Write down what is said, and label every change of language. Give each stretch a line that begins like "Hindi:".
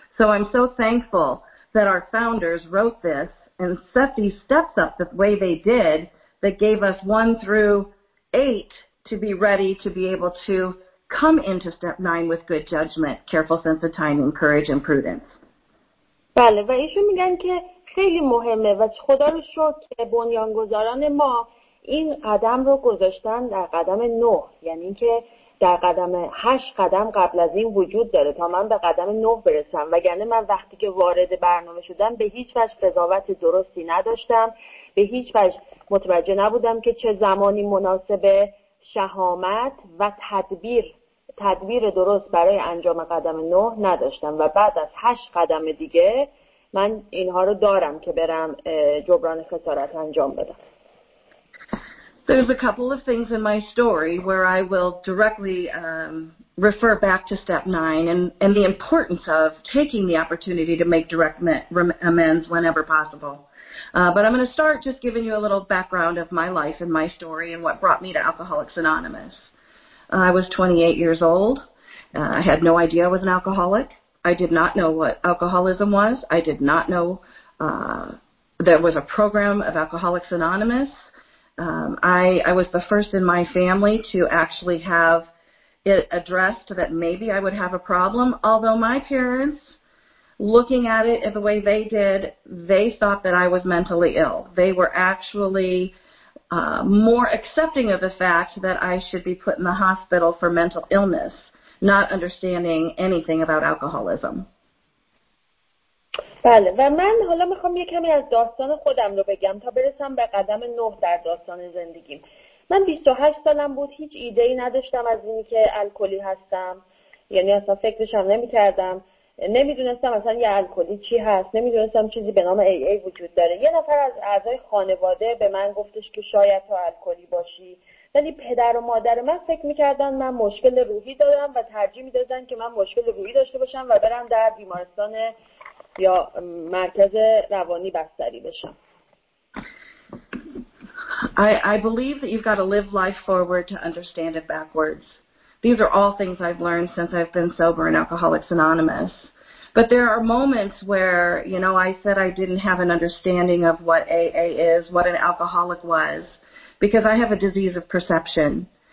English: So I'm so thankful that our founders wrote this and set these steps up the way they did that gave us 1 through 8 to be ready to be able to come into step 9 with good judgment, careful sense of timing, courage and prudence.
Persian: بله و ایشون میگن که خیلی مهمه و خدا رو شکر که بنیانگذاران ما این قدم رو گذاشتن در قدم 9، یعنی که در قدم 8 قدم قبل از این وجود داره تا من به قدم 9 برسم، وگرنه من وقتی که وارد برنامه شدم به هیچ وجه قضاوت درستی نداشتم، به هیچ وجه متوجه نبودم که چه زمانی مناسبه شهامت و تدبیر درست برای انجام قدم 9 نداشتم و بعد از 8 قدم دیگه من اینها رو دارم که برم جبران خسارت انجام بدم.
English: There's a couple of things in my story where I will directly refer back to step 9 and the importance of taking the opportunity to make direct amends whenever possible. But I'm going to start just giving you a little background of my life and my story and what brought me to Alcoholics Anonymous. I was 28 years old. I had no idea I was an alcoholic. I did not know what alcoholism was. I did not know there was a program of Alcoholics Anonymous. I was the first in my family to actually have it addressed that maybe I would have a problem, although my parents, looking at it the way they did, they thought that I was mentally ill. They were actually more accepting of the fact that I should be put in the hospital for mental illness, not understanding anything about alcoholism.
Persian: بله و من حالا میخوام یه کمی از داستان خودم رو بگم تا برسم به قدم 9 در داستان زندگیم. من 28 سالم بود، هیچ ایده‌ای نداشتم از اینی که الکلی هستم، یعنی اصلا فکرش هم نمی‌کردم. نمیدونستم اصلا یه الکلی چی هست، نمیدونستم چیزی به نام AA وجود داره. یه نفر از اعضای خانواده به من گفتش که شاید تو الکلی باشی، ولی پدر و مادر من فکر میکردن من مشکل روحی دارم و ترجیح میدادن که من مشکل روحی داشته باشم و برم در بیمارستان یا مرکز روانی بستری بشم.
English: I believe that you've got to live life forward to understand it backwards. These are all things I've learned since I've been sober in Alcoholics Anonymous. But there are moments where, you know, I said I didn't have an understanding of what AA is, what an alcoholic was, because I have a disease of perception.